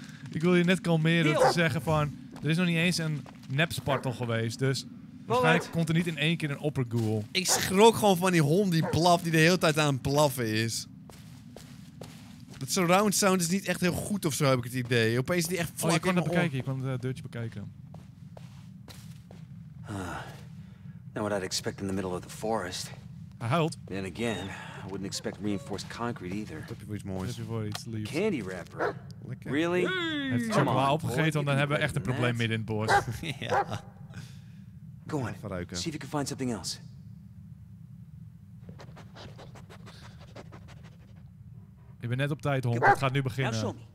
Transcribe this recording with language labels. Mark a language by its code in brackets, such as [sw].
[nl] Ik wil je net kalmeren door te zeggen van... Er is nog niet eens een nepspartel geweest, dus... Waarschijnlijk komt er niet in één keer een opperghoul. Ik schrok gewoon van die hond die blaft, die de hele tijd aan het blaffen is. Dat surround sound is niet echt heel goed of zo, heb ik het idee. Opeens is die echt vlak in. Oh, je kon het bekijken, je kon het deurtje bekijken. [en] Now what I'd expect in the middle of the forest. [nl] Hij huilt. [en] Then again, I wouldn't expect reinforced concrete either. [nl] Heb je voor iets moois? Heb je voor iets liefs? [en] Candy wrapper. [nl] Lekker. [en] Really? [nl] Hij heeft chocola opgegeten, want dan hebben we echt een probleem midden in het bos. Ja. [en] Go on. Verruiken. See if you can find something else. [nl] Ik ben net op tijd, hond. Het gaat nu beginnen.